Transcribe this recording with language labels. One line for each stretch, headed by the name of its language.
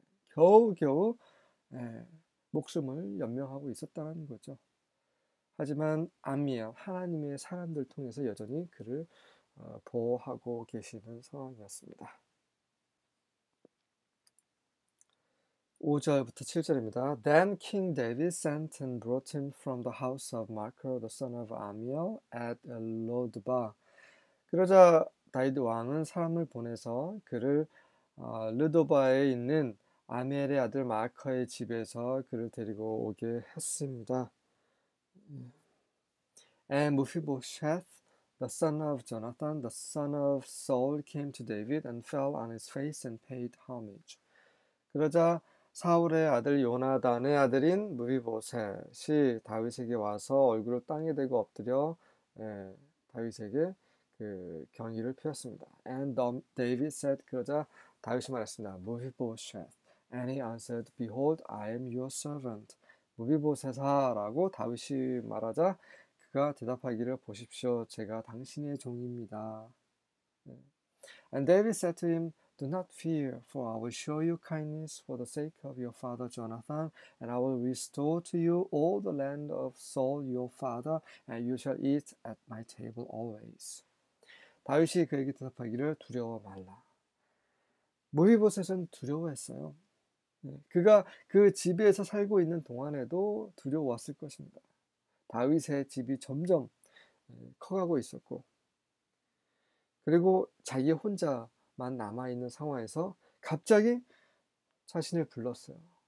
Korean: 겨우겨우 목숨을 연명하고 있었다는 거죠. 하지만 아미야 하나님의 사람들 통해서 여전히 그를 보호하고 계시는 상황이었습니다. 5절부터 7절입니다.
English: Then King David sent and brought him from the house of Michal, the son of Amiel, at Lodebar.
Korean: 그러자 다윗 왕은 사람을 보내서 그를 르도바에 있는 아미엘의 아들 마커의 집에서 그를 데리고 오게 했습니다.
English: And Mephibosheth, the son of Jonathan, the son of Saul, came to David and fell on his face and paid homage.
Korean: 그러자 사울의 아들 요나단의 아들인 므비보셋이 다윗에게 와서 얼굴을 땅에 대고 엎드려 다윗에게 그 경의를 표했습니다.
English: And David said,
Korean: 그러자 다윗이 말했습니다. 므비보셋.
English: And he answered, Behold, I am your servant.
Korean: 므비보셋아라고 다윗이 말하자 그가 대답하기를 보십시오. 제가 당신의 종입니다. And David said to him, Do not fear, for I will show you kindness for the sake of your father Jonathan, and I will restore to you all the land of Saul your father, and you shall eat at my table always. 다윗이 그에게 대답하기를 두려워 말라. 므비보셋은 두려워했어요. 그가 그 집에서 살고 있는 동안에도 두려웠을 것입니다. 다윗의 집이 점점 커가고 있었고, 그리고 자기 혼자 만 남아있는 상황에서 갑자기 자신을 불렀어요.